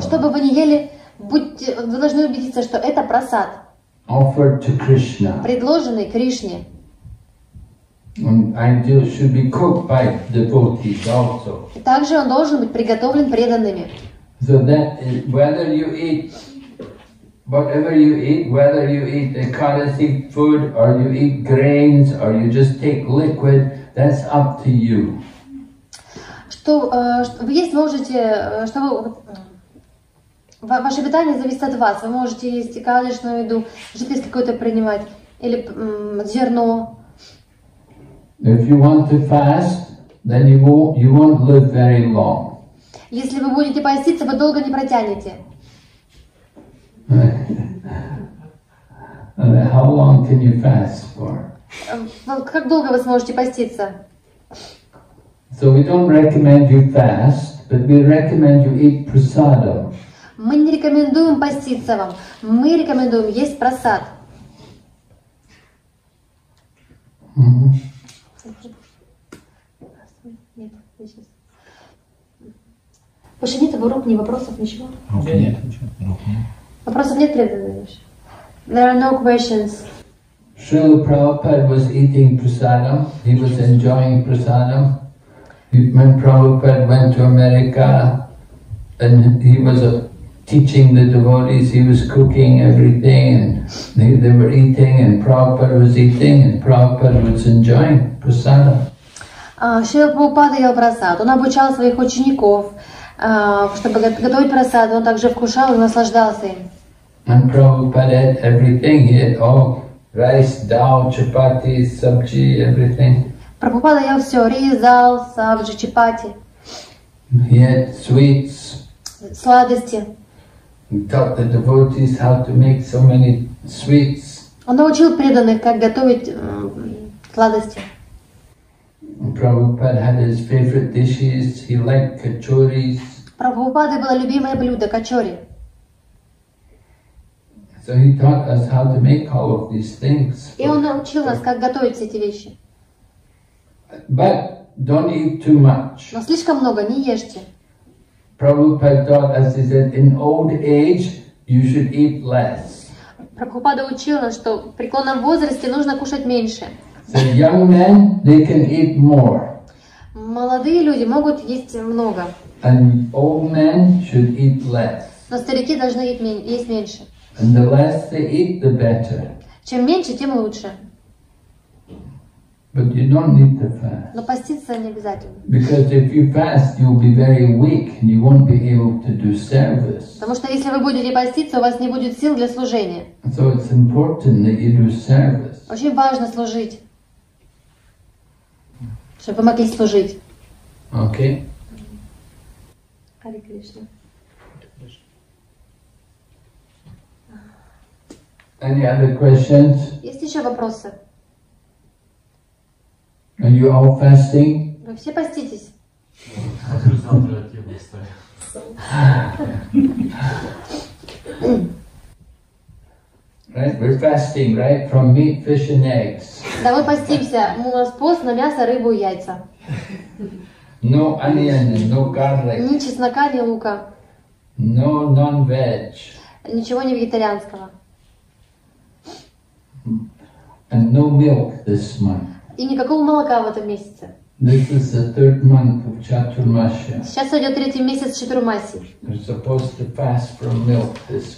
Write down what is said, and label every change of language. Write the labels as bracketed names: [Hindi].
[Russian] Что бы вы ни ели, вы должны убедиться, что это прасад. [English] Offered to Krishna. [Russian] Предложенный Кришне. [English] And it should be cooked by devotees also. [Russian] Также он должен быть приготовлен преданными. [English] So that whether you eat, whatever you eat, whether you eat the ecology food, or you eat grains, or you just take liquid, that's up to you. [Russian] Что, вы есть, можете, что вы, ваше питание зависит от вас. Вы можете есть калечную еду, жидкость какую-то принимать, или зерно. [English] If you want to fast, then you won't live very long. [Russian] Если вы будете поститься, вы долго не протянете. [English] How long can you fast for? [Russian] Как долго вы сможете поститься? [English] So we don't recommend you fast, but we recommend you eat prasadam. [Russian] Мы не рекомендуем поститься вам. Мы рекомендуем есть прасад. Mm-hmm. Больше нет рук, ни вопросов, ничего? Рук нет, ничего. Вопросов нет, преданные? [English] There are no questions. Srila Prabhupada was eating prasadam. He was enjoying prasadam. When Prabhupada went to America and he was teaching the devotees, he was cooking everything and they were eating and Prabhupada was eating and Prabhupada was enjoying prasadam. [Russian] Srila Prabhupada ел prasad. Он обучал своих учеников, чтобы готовить prasad. Он также вкушал и наслаждался им. [English] And Prabhupada ate everything. He ate all rice, dal, chapati, sabji, everything. [Russian] Prabhupada ел все. Рис, дал, сабджи, чапати. [English] He ate sweets. [Russian] Сладости. [English] He taught the devotees how to make so many sweets. [Russian] Он научил преданных, как готовить сладости. [English] Prabhupada had his favorite dishes. He liked kachoris. [Russian] Prabhupada было любимое блюдо, качори. [English] So he taught us how to make all of these things. [Russian] И он научил нас, как готовить все эти вещи. [English] But don't eat too much. [Russian] Но слишком много не ешьте. [English] Prabhupada taught us, he said, in old age you should eat less. [Russian] Прабхупада учил нас, что в преклонном возрасте нужно кушать меньше. [English] So young men, they can eat more. [Russian] Молодые люди могут есть много. [English] And old men should eat less. [Russian] Но старики должны есть меньше. [English] And the less they eat, the better. [Russian] Чем меньше, тем лучше. [English] But you don't need to fast. [Russian] Но поститься не обязательно. [English] Because if you fast, you'll be very weak and you won't be able to do service. [Russian] Потому что если вы будете поститься, у вас не будет сил для служения. [English] So it's important that you do service. [Russian] Очень важно служить. Чтобы помогли служить. [English] Okay. Hare Krishna. Any other questions? [Russian] Есть еще вопросы? [English] Are you all fasting? [Russian] Вы все поститесь? [English] Right? We're fasting, right? From meat, fish and eggs. [Russian] Да, мы постимся. У нас пост на мясо, рыбу и яйца. [English] No onion, no garlic. [Russian] Ни чеснока, ни лука. [English] No non-veg. [Russian] Ничего не вегетарианского. [English] And no milk this month. [Russian] И никакого молока в этом месяце. [English] This is the third month of Chaturmasya. [Russian] Сейчас идет третий месяц Чатурмаси. [English] We're supposed to fast from milk this month.